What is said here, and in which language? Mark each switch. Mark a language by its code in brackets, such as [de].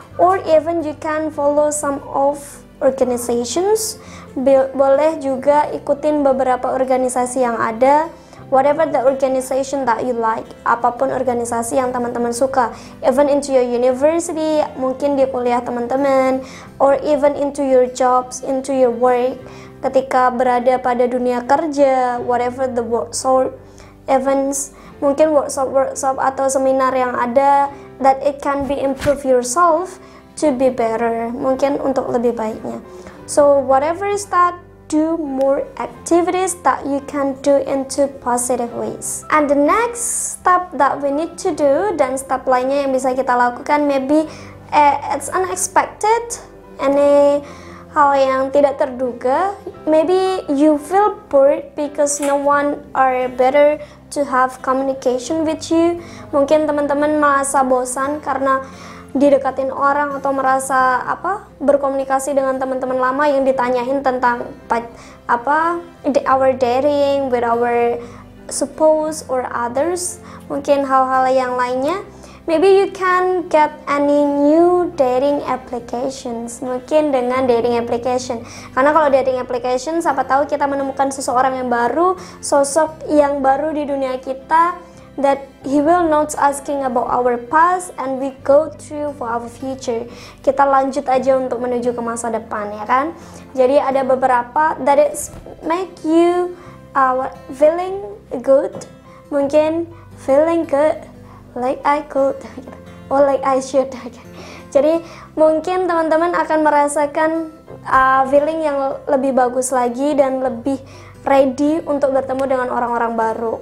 [en] Or even you can follow some of organizations. [id] Boleh juga ikutin beberapa organisasi yang ada. [en] Whatever the organization that you like, [id] apapun organisasi yang teman-teman suka, [en] even into your university, [id] mungkin di kuliah teman-teman, [en] or even into your jobs, into your work, [id] ketika berada pada dunia kerja, [en] whatever the workshop, events, [id] mungkin workshop atau seminar yang ada, [en] that it can be improve yourself to be better, [id] mungkin untuk lebih baiknya. [en] So whatever is that, do more activities that you can do into positive ways. And the next step that we need to do, [id] dan step lainnya yang bisa kita lakukan, [en] maybe it's unexpected, any [id] hal yang tidak terduga. [en] Maybe you feel bored because no one are better to have communication with you. [id] Mungkin teman-teman merasa bosan karena didekatin orang, atau merasa apa, berkomunikasi dengan teman-teman lama yang ditanyain tentang apa, [en] our dating with our spouse or others, [id] mungkin hal-hal yang lainnya. [en] Maybe you can get any new dating applications, [id] mungkin dengan dating application. Karena kalau dating application, siapa tahu kita menemukan seseorang yang baru, sosok yang baru di dunia kita, [en] that he will not asking about our past and we go through for our future. [id] Kita lanjut aja untuk menuju ke masa depan, ya kan? Jadi ada beberapa [en] that it make you feeling good, [id] mungkin [en] feeling good like I could or like I should. [id] Jadi mungkin teman-teman akan merasakan feeling yang lebih bagus lagi dan lebih ready untuk bertemu dengan orang-orang baru.